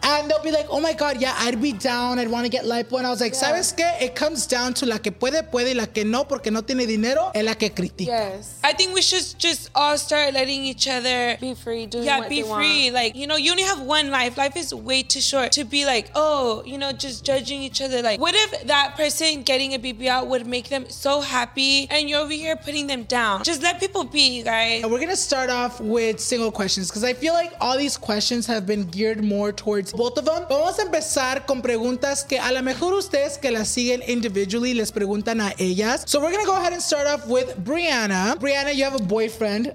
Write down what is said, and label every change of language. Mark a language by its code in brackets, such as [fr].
[en] And they'll be like, oh my God, yeah, I'd be down. I'd want to get lipo. And I was like, yeah. [es] ¿Sabes qué? [en] It comes down to [es] la que puede, puede, y la que no, porque no tiene dinero, es la que critica. [en] Yes. I think we should just all start letting each other be free, doing yeah, what be they free. Want. Like, you know, you only have one life. Life is way too short to be like, oh, you know, just judging each other. Like, what if that person getting a BBL would make them so happy and you're over here putting them down? Just let people be, you guys. And we're going to start off with single questions because I feel like all these questions have been geared more towards both of them. [es] Vamos a empezar con preguntas que a lo mejor ustedes que las siguen individually les preguntan a ellas. [en] So we're going to go ahead and start off with Brianna. Brianna, you have a boyfriend,